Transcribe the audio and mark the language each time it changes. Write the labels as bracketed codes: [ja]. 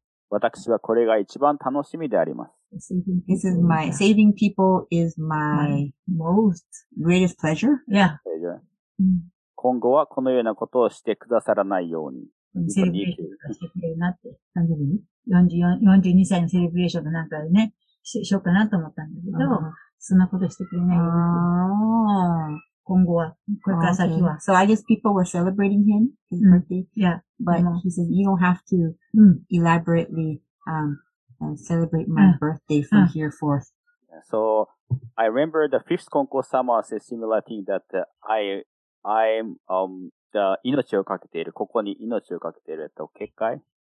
[ja] 私はこれが一番楽しみであります。 [en] This is my, saving people is my most greatest pleasure. Yeah. Pleasure. [ja] 今後はこのようなことをしてくださらないように。セレブレーションしてくれるなって。何時に？ 42歳のセレブレーションなんかでね、しようかなと思ったんだけど、そんなことしてくれないように。 [en] So I guess people were celebrating his birthday. Yeah. But he says you don't have to elaborately and celebrate my birthday from here forth. So I remember the fifth Konko Sama is a similar thing that I'm the [ja] 命をかけている、ここに命をかけている、結界。